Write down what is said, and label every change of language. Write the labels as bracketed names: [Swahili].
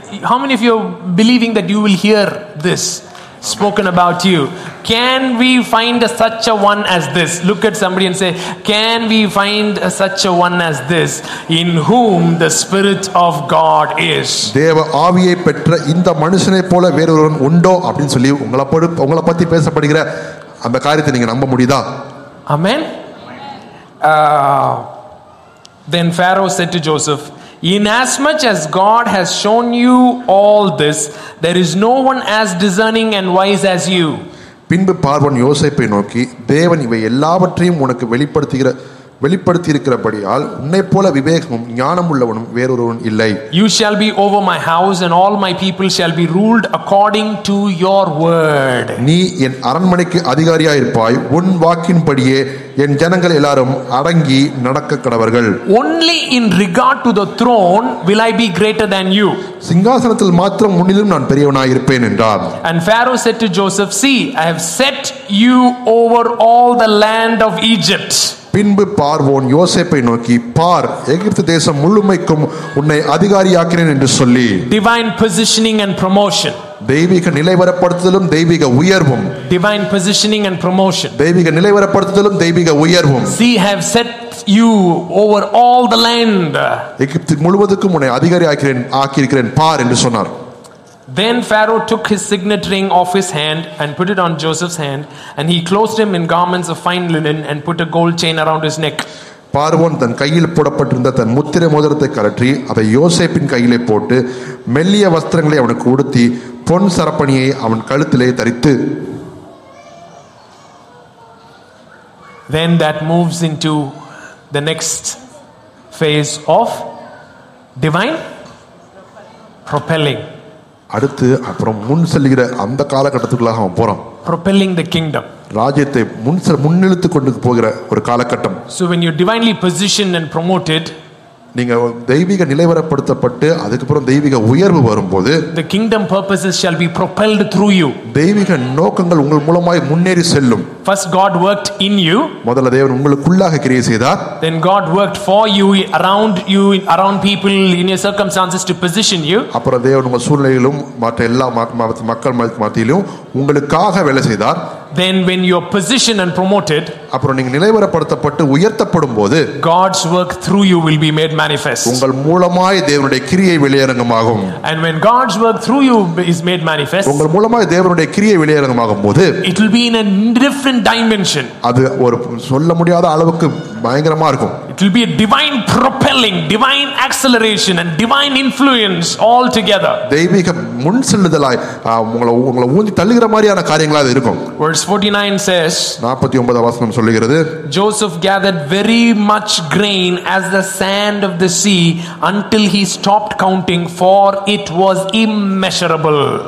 [English] How many of you are believing that you will hear this spoken about you? Can we find such a one as this? Look at somebody and say, can we find such a one as this in whom the spirit of God is? [Tamil] தேவ ஆவியை பெற்ற இந்த மனுஷனை போல வேறொருவன் உண்டோ அப்படினு சொல்லி உங்களை பத்தி பேசப்படுகிற அந்த காரியத்தை நீங்க நம்ப முடியதா? [English] Amen. Then Pharaoh said to Joseph, inasmuch as God has shown you all this, there is no one as discerning and wise as you. [Tamil] பின்பு பார்வோன் யோசேப்பை நோக்கி, தேவன் இவை எல்லாவற்றையும் உனக்கு வெளிப்படுத்தியிருக்கிறபடியால் உன்னை போல விவேகமும் ஞானம் உள்ளவனும் வேறொருவன் இல்லை. [English] You shall be over my house and all my people shall be ruled according to your word. [Tamil] நீ என் அரண்மனைக்கு அதிகாரியாயிருப்பாய், உன் வாக்கின்படியே என் ஜனங்கள் எல்லாரும் அடங்கி நடக்க கடவர்கள். [English] Only in regard to the throne will I be greater than you. [Tamil] சிங்காசனத்தில் மாத்திரம் முன்னிலும் நான் பெரியவனாய் இருப்பேன் என்றார். [English] And Pharaoh said to Joseph, see, I have set you over all the land of Egypt. [Tamil] பின்பு பார்வோன் யோசேப்பை நோக்கி, பார், எகிப்து தேசம் முழுமைக்கும் உன்னை அதிகாரியாக்கிறேன் என்று சொல்லி. [English] Divine positioning and promotion. [Tamil] தெய்வீக நிலைவரப்படுத்துதலும் தெய்வீக உயர்வும். [English] Divine positioning and promotion. [Tamil] தெய்வீக நிலைவரப்படுத்துதலும் தெய்வீக உயர்வும். [English] See, have set you over all the land. [Tamil] எகிப்து முழுவதுக்கும் உன்னை அதிகாரியாக்கிறேன் பார் என்று சொன்னார். [English] Then Pharaoh took his signet ring off his hand and put it on Joseph's hand, and he clothed him in garments of fine linen and put a gold chain around his neck. [Tamil] பார்வோன் தன் கையில் போடப்பட்டிருந்த தன் முத்திரை மோதிரத்தை கழற்றி அதை யோசேப்பின் கையிலே போட்டு மெல்லிய வஸ்திரங்களை அவனுக்கு உடுத்தி பொன் சரப்பணியை அவன் கழுத்திலே தரித்து. [English] Then that moves into the next phase of divine propelling. [Tamil] அடுத்து அப்புறம் முன் செல்கிற அந்த காலகட்டத்துக்குள்ளாக அவன் போறான். [English] Propelling the kingdom. [Tamil] ராஜ்யத்தை முன்னெழுத்து கொண்டு போகிற ஒரு காலகட்டம். [English] So when you divinely positioned and promoted, [Tamil] நீங்க தெய்வீக நிலைவரப்படுத்தப்பட்டு அதுக்கப்புறம் தெய்வீக உயர்வு வரும்போது, [English] the kingdom purposes shall be propelled through you. [Tamil] தெய்வீக நோக்கங்கள் உங்கள் மூலமாய் முன்னேறி செல்லும். [English] First God worked in you. [Tamil] முதல்ல தேவன் உங்களுக்குள்ளாக கிரியை செய்தார். [English] Then God worked for you, around you, around people, in your circumstances to position you. [Tamil] அப்புறம் தேவன் உங்கள் சூழ்நிலையிலும் மற்ற எல்லா மக்கள் மத்தியிலும் உங்களுக்காக வேலை செய்தார். [English] Then when you are positioned and promoted, [Tamil] அப்புறம் நீங்க நிலைவரப்படுத்தப்பட்டு உயர்த்தப்படும்போது, [English] God's work through you will be made manifest. [Tamil] உங்கள் மூலமாய் தேவனுடைய கிரியை வெளியரங்கமாகும். [English] And when God's work through you is made manifest, [Tamil] உங்கள் மூலமாய் தேவனுடைய கிரியை வெளியரங்கமாகும்போது, [English] it will be in a different dimension. [Tamil] அது ஒரு சொல்ல முடியாத அளவுக்கு பயங்கரமா இருக்கும். [English] It will be a divine propelling, divine acceleration and divine influence all together. [Tamil] தெய்வீக முன்செல்லுதலாய் உங்களை ஊந்தி தள்ளுகிற மாதிரியான காரியங்களா அது இருக்கும். [English] Verse 49 says, [Tamil] 49வது வசனம் சொல்கிறது, [English] Joseph gathered very much grain as the sand of the sea until he stopped counting, for it was immeasurable.